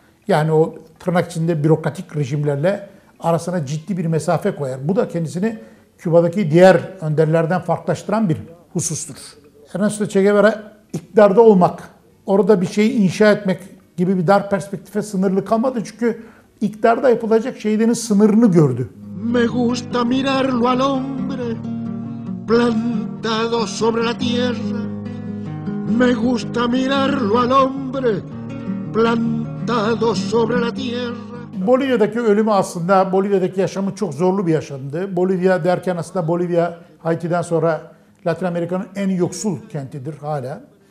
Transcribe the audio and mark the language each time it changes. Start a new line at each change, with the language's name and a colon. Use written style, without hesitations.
Turkish: Yani o tırnak içinde bürokratik rejimlerle arasına ciddi bir mesafe koyar. Bu da kendisini Küba'daki diğer önderlerden farklılaştıran bir husustur. Ernesto Che Guevara iktidarda olmak, orada bir şeyi inşa etmek gibi bir dar perspektife sınırlı kalmadı. Çünkü iktidarda yapılacak şeylerin sınırını gördü.
Spanish: Me gusta mirarlo al hombre plantado sobre la tierra. Me gusta mirarlo al hombre plantado sobre la tierra.
Turkish: Bolivya'daki ölümü aslında, Bolivya'daki yaşamı çok zorlu bir yaşamdı. Bolivya derken aslında Bolivya, Haiti'den sonra Latin Amerika'nın en yoksul kentidir hala.